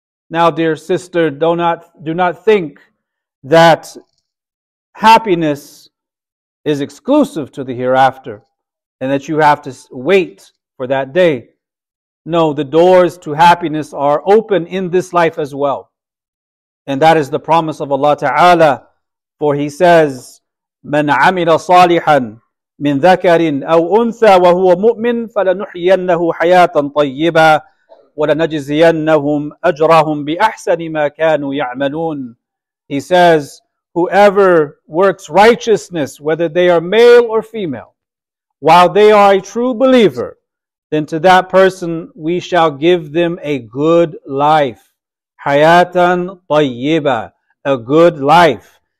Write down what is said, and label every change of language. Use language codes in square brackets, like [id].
[en] Now, dear sister, do not think that happiness is exclusive to the hereafter and that you have to wait for that day. No, the doors to happiness are open in this life as well. And that is the promise of Allah Ta'ala, for He says, [ar] من عمل صالحا من ذكر أو أنثى وهو مؤمن فلنحيينه حياة طيبة ولنجزينهم أجرهم بأحسن ما كانوا يعملون. [en] He says, whoever works righteousness, whether they are male or female, while they are a true believer, then to that person we shall give them a good life. [ar] حياة طيبة, [en] a good life.